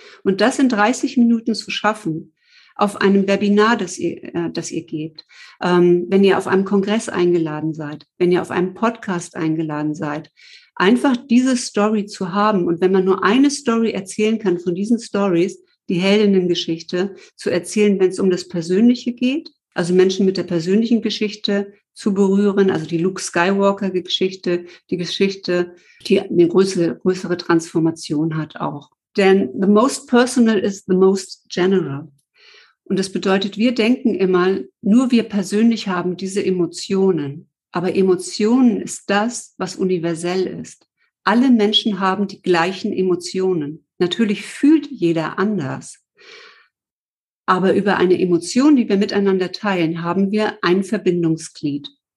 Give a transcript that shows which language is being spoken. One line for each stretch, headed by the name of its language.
German: Und das in 30 Minuten zu schaffen, auf einem Webinar, das ihr gebt, wenn ihr auf einem Kongress eingeladen seid, wenn ihr auf einem Podcast eingeladen seid, einfach diese Story zu haben und wenn man nur eine Story erzählen kann von diesen Stories, die Heldinnengeschichte zu erzählen, wenn es um das Persönliche geht, also Menschen mit der persönlichen Geschichte zu berühren, also die Luke Skywalker-Geschichte, die Geschichte, die eine größere Transformation hat auch.
English: Denn the most personal is the most general.
German: Und das bedeutet, wir denken immer, nur wir persönlich haben diese Emotionen. Aber Emotionen ist das, was universell ist. Alle Menschen haben die gleichen Emotionen. Natürlich fühlt jeder anders. Aber über eine Emotion, die wir miteinander teilen, haben wir ein Verbindungsglied.